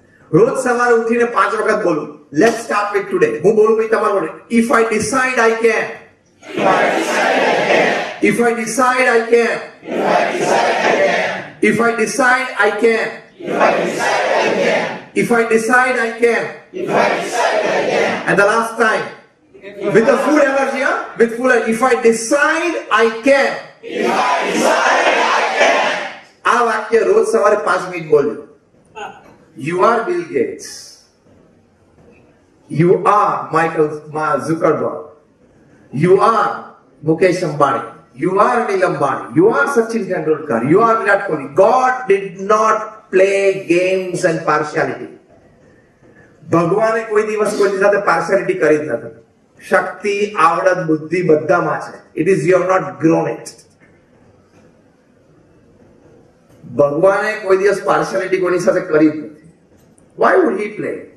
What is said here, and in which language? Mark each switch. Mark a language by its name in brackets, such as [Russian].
[Gujarati] રોજ સવારે ઉઠીને 5 વખત બોલું, [English] Let start with today. [Gujarati] હું બોલું ભાઈ તમારો, [English] If I decide I can, if I decide I can, if I decide I can, if I decide I can. And the last time with the full energy, huh? With full energy. If I decide, I can. If I decide, I can. [Gujarati] આ વાક્ય રોજ સવારે 5 minute બોલ્યું. [English] You are Bill Gates. You are Michael Zuckerberg. You are Mukesh Ambani. You are Anil Ambani. You are Sachin Tendulkar. You are Virat Kohli. God did not play games and partiality. [Gujarati] ભગવાને કોઈ દિવસ કોઈની સાથે partiality કરી જ નથી. શક્તિ આવડત બુદ્ધિ બધામાં છે. [English] It is you have not grown it. [Gujarati] ભગવાને કોઈ દિવસ પાર્શિયાલિટી કોની સાથે કરી જ નથી. [English] Why would he play?